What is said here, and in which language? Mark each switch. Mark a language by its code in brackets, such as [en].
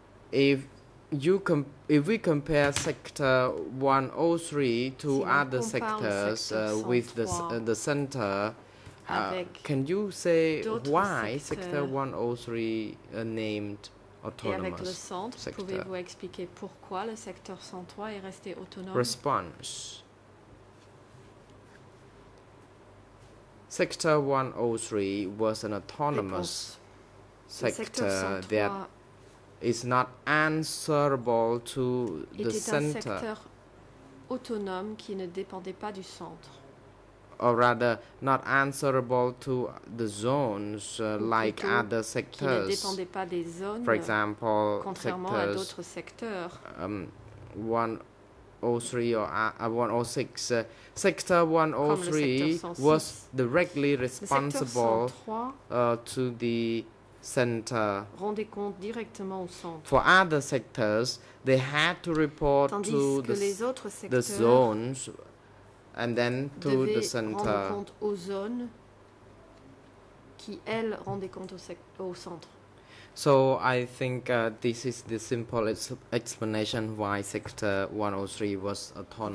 [en] If we compare Sector 103 to other sectors with the center, can you say why Sector 103 named autonomous [fr] et avec le centre, pouvez-vous expliquer pourquoi le secteur 103 est resté autonome? [en] Response. Sector 103 was an autonomous sector that is not answerable to the center. [fr] Était un secteur autonome qui ne dépendait pas du centre. [en] Or rather, not answerable to the zones like other sectors. [fr] Qui ne dépendait pas des zones, [en] for example, [fr] contrairement à d'autres secteurs. [en] 103 or 106. Sector 103 was directly responsible to the center. [fr] Rendait compte directement au centre. [en] For other sectors, they had to report [fr] tandis [en] to the, [fr] les autres secteurs [en] the zones. And then to the center. [fr] Rendre compte aux zones qui, elles, rendaient compte au centre. [en] So I think this is the simple explanation why Sector 103 was autonomous.